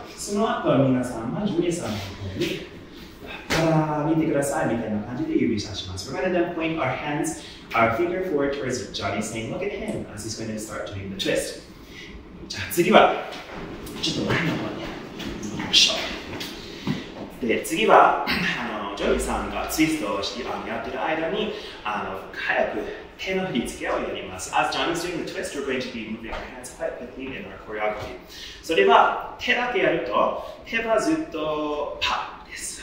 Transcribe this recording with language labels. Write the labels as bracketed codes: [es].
[ja] その後皆さんはジュリアさんの方に、見てくださいみたいな感じで指さします。 [en] We're going to then point our hands, our finger forward towards Johnny saying, look at him, as he's going to start doing the twist. [ja] じゃあ次はちょっと前の方に行きましょう。で次はジョニーさんがツイストをしてやってる間に早く手の振り付けをやります。 [en] As Johnny's doing the twist, we're going to be moving our hands quite quickly in our choreography. [ja] それは手だけやると手はずっとパッです。